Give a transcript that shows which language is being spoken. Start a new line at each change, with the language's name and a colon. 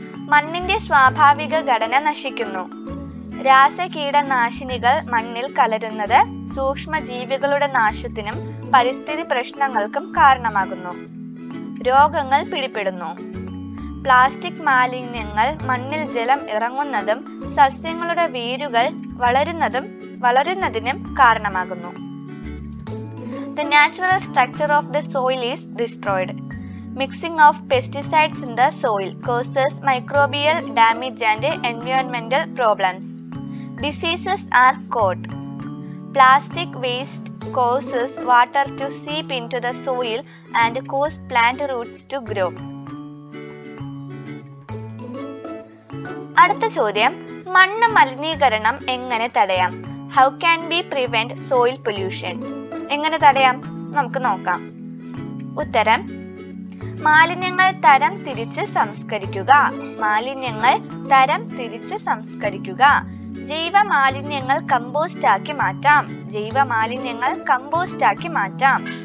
Malayalam: മണ്ണിന്റെ സ്വാഭാവിക ഘടന നശിക്കുന്നു. രാസകീടനാശിനികൾ മണ്ണിൽ കലരുന്നത് സൂക്ഷ്മജീവികളുടെ നാശത്തിനും പരിസ്ഥിതി പ്രശ്നങ്ങൾക്കും കാരണമാകുന്നു. രോഗങ്ങൾ പിടിപെടുന്നു. പ്ലാസ്റ്റിക് മാലിന്യങ്ങൾ മണ്ണിൽ ജലം ഇറങ്ങുന്നതും സസ്യങ്ങളുടെ വേരുകൾ വളരുന്നതിനും കാരണമാകുന്നു.
English: the natural structure of the soil is destroyed. Mixing of pesticides in the soil causes microbial damage and environmental problems. Diseases are caught. Plastic waste causes water to seep into the soil and cause plant roots to grow.
Malayalam: അടുത്ത ചോദ്യം, മണ്ണ് മലിനീകരണം എങ്ങനെ തടയാം?
English: How can we prevent soil pollution?
Malayalam: എങ്ങനെ തടയാം? നമുക്ക് നോക്കാം. ഉത്തരം, മാലിന്യങ്ങൾ തരം തിരിച്ച് സംസ്കരിക്കുക. മാലിന്യങ്ങൾ തരം തിരിച്ച് സംസ്കരിക്കുക. ജൈവ മാലിന്യങ്ങൾ കമ്പോസ്റ്റ് ആക്കി മാറ്റാം. ജൈവ മാലിന്യങ്ങൾ കമ്പോസ്റ്റ് ആക്കി മാറ്റാം.